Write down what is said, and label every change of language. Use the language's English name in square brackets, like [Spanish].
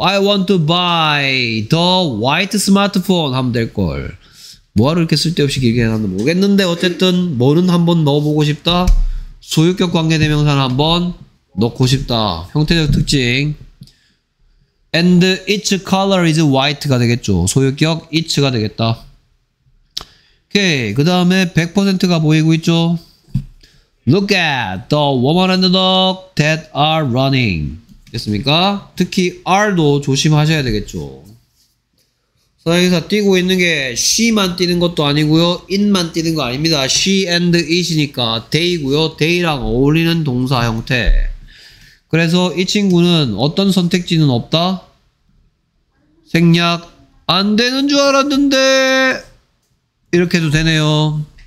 [English] I want to buy the white smartphone [Korean] 하면 될걸. 뭐하러 이렇게 쓸데없이 길게 해놨나 모르겠는데 어쨌든 뭐는 한번 넣어보고 싶다. 소유격 관계대명사는 한번 넣고 싶다. 형태적 특징. [English] And its color is white가 [Korean] 되겠죠. 소유격 its가 되겠다. 오케이. 그 다음에 100%가 보이고 있죠. [English] Look at the woman and the dog that are running. [Korean] 됐습니까? 특히 r도 조심하셔야 되겠죠. 사회에서 뛰고 있는 게 she만 뛰는 것도 아니고요. it만 뛰는 거 아닙니다. [English] she and it [Korean] 이니까 they고요. they랑 어울리는 동사 형태. 그래서 이 친구는 어떤 선택지는 없다? 생략 안 되는 줄 알았는데 이렇게 해도 되네요.